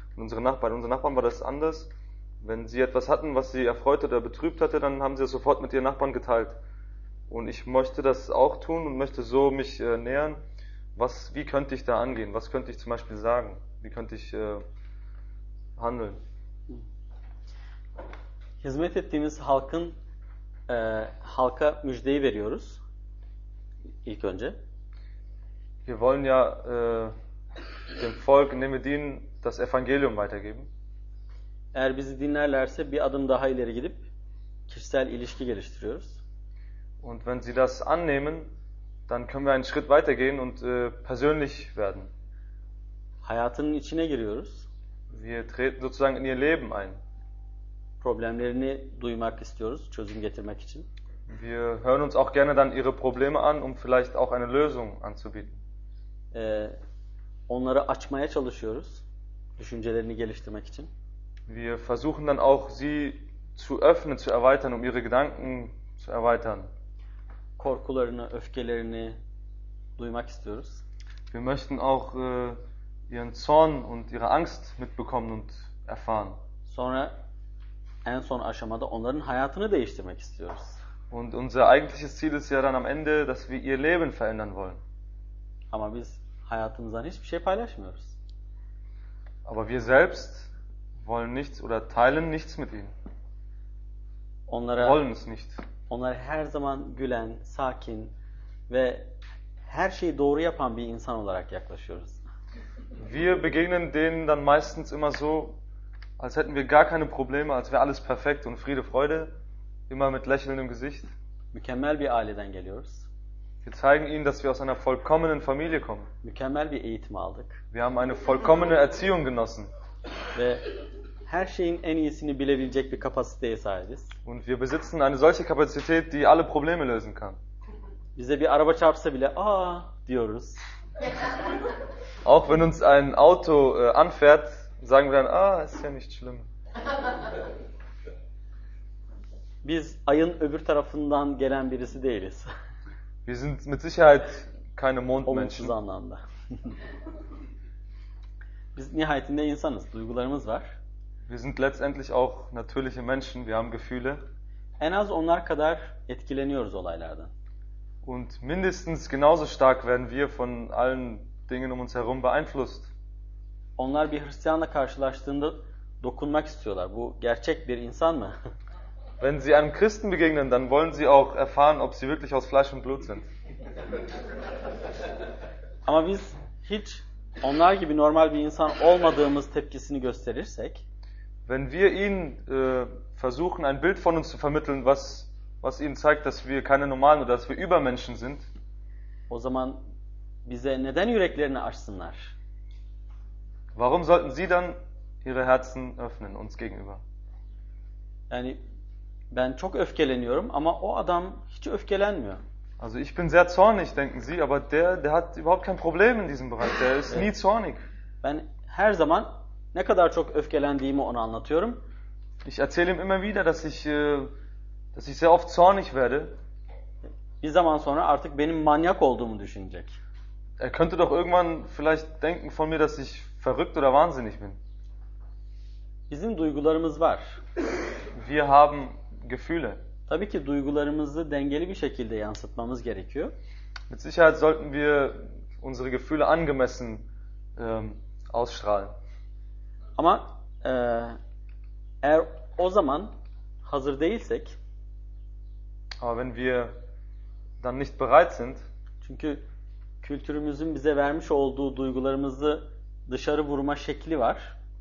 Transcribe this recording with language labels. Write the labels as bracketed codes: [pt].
[de] Und bei unseren Nachbarn war das anders. Wenn sie etwas hatten, was sie erfreut oder betrübt hatte, dann haben sie das sofort mit ihren Nachbarn geteilt. Und ich möchte das auch tun und möchte so mich nähern. Wie könnte ich da angehen? Was könnte ich zum Beispiel sagen? Wie könnte ich handeln? [tr] Hizmet ettiğimiz halkın halka müjdeyi veriyoruz ilk önce. [de] Wir wollen ja dem Volk, in dem wir dienen, das Evangelium weitergeben. [tr] Eğer bizi dinlerlerse bir adım daha ileri gidip kişisel ilişki geliştiriyoruz. [de] Und wenn sie das annehmen, dann können wir einen Schritt weitergehen und persönlich werden. [tr] Hayatının içine giriyoruz. [de] Wir treten sozusagen in ihr Leben ein. [tr] Problemlerini duymak istiyoruz, çözüm getirmek için. [de] Wir hören uns auch gerne dann ihre Probleme an, um vielleicht auch eine Lösung anzubieten. [tr] Onları açmaya çalışıyoruz, düşüncelerini geliştirmek için. [de] Wir versuchen dann auch sie zu öffnen, zu erweitern, um ihre Gedanken zu erweitern. [tr] Korkularını, öfkelerini duymak istiyoruz. [de] Wir möchten auch ihren Zorn und ihre Angst mitbekommen und erfahren. [tr] Sonra en son aşamada onların hayatını değiştirmek istiyoruz. [de] Und unser eigentliches Ziel ist ja dann am Ende, dass wir ihr Leben verändern wollen. [tr] Ama biz hayatımızdan hiçbir şey paylaşmıyoruz. [de] Aber wir selbst wollen nichts oder teilen nichts mit ihnen. [tr] Onlara [de] wollen es nicht. [tr] Onlar her zaman gülen, sakin ve her şeyi doğru yapan bir insan olarak yaklaşıyoruz. [de] Wir begegnen denen dann meistens immer so, als hätten wir gar keine Probleme, als wäre alles perfekt und Friede, Freude, immer mit lächelndem Gesicht. [tr] Mükemmel bir aileden geliyoruz. [de] Wir zeigen ihnen, dass wir aus einer vollkommenen Familie kommen. [tr] Mükemmel bir eğitim aldık. [de] Wir haben eine vollkommene Erziehung genossen. [tr] Ve her şeyin en iyisini bilebilecek bir kapasiteye sahibiz. [de] Und wir besitzen eine solche Kapazität, die alle Probleme lösen kann. [tr] Bize bir araba çarpsa bile aa diyoruz. [de] Auch wenn uns ein Auto anfährt, sagen wir dann, ah, ist ja nicht schlimm. [tr] Biz ayın öbür tarafından gelen birisi değiliz. [de] Wir sind mit Sicherheit keine Mondmenschen. [tr] Olumsuz anlamda. Biz nihayetinde insanız, duygularımız var. [de] Wir sind letztendlich auch natürliche Menschen, wir haben Gefühle. [tr] En az onlar kadar etkileniyoruz olaylardan. [de] Und mindestens genauso stark werden wir von allen Dingen um uns herum beeinflusst. [tr] Onlar bir Hristiyanla karşılaştığında dokunmak istiyorlar. Bu gerçek bir insan mı? [de] Wenn sie einem Christen begegnen, dann wollen sie auch erfahren, ob sie wirklich aus Fleisch und Blut sind. [tr] Ama biz hiç onlar gibi normal bir insan olmadığımız tepkisini gösterirsek, [de] wenn wir ihnen versuchen, ein Bild von uns zu vermitteln, was ihnen zeigt, dass wir keine normalen oder dass wir Übermenschen sind, [tr] o zaman bize neden yüreklerini açsınlar? [de] Warum sollten sie dann ihre Herzen öffnen uns gegenüber? [tr] Yani ben çok öfkeleniyorum ama o adam hiç öfkelenmiyor. [de] Also ich bin sehr zornig, denken Sie, aber der hat überhaupt kein Problem in diesem Bereich. Der ist nie zornig. [tr] Ben her zaman ne kadar çok öfkelendiğimi ona anlatıyorum. [de] Ich erzähle ihm immer wieder, dass ich sehr oft zornig werde. [tr] Bir zaman sonra artık benim manyak olduğumu düşünecek. [de] Er könnte doch irgendwann vielleicht denken von mir, dass ich verrückt oder wahnsinnig bin. [tr] Bizim duygularımız var. [de] Wir haben Gefühle. [tr] Tabii ki duygularımızı dengeli bir şekilde yansıtmamız gerekiyor. [de] Mit Sicherheit sollten wir unsere Gefühle angemessen ausstrahlen. [tr] Ama eğer o zaman hazır değilsek, [de] aber wenn wir dann nicht bereit sind, [tr] çünkü kültürümüzün bize vermiş olduğu duygularımızı dışarı vurma şekli var.